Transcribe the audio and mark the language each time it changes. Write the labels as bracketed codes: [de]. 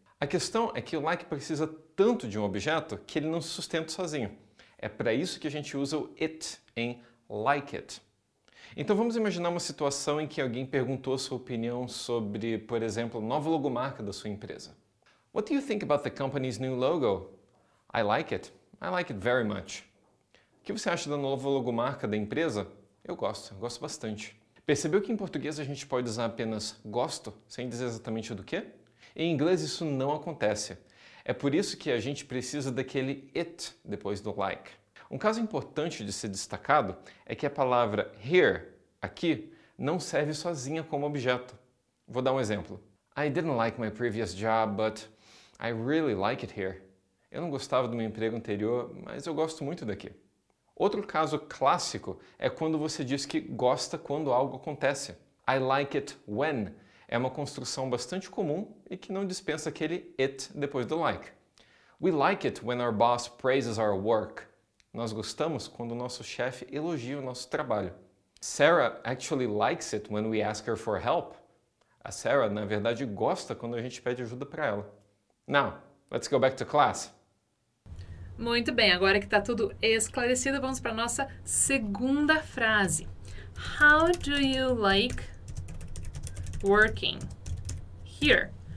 [pt] A questão é que o like precisa tanto de um objeto que ele não se sustenta sozinho. É para isso que a gente usa o it em like it. Então vamos imaginar uma situação em que alguém perguntou a sua opinião sobre, por exemplo, a nova logomarca da sua empresa. [en] What do you think about the company's new logo? I like it. I like it very much. [pt] O que você acha da nova logomarca da empresa? Eu gosto bastante. Percebeu que em português a gente pode usar apenas gosto, sem dizer exatamente do quê? Em inglês isso não acontece. É por isso que a gente precisa daquele it depois do like. Um caso importante de ser destacado é que a palavra here, aqui, não serve sozinha como objeto. Vou dar um exemplo. [en] I didn't like my previous job, but I really like it here. [pt] Eu não gostava do meu emprego anterior, mas eu gosto muito daqui. Outro caso clássico é quando você diz que gosta quando algo acontece. I like it when é uma construção bastante comum e que não dispensa aquele it depois do like. [en] We like it when our boss praises our work. [pt] Nós gostamos quando o nosso chefe elogia o nosso trabalho. [en] Sarah actually likes it when we ask her for help. [pt] A Sarah, na verdade, gosta quando a gente pede ajuda para ela. [en] Now, let's go back to class. [pt] Muito bem, agora que está tudo esclarecido, vamos para a nossa segunda frase. [en] How do you like working here?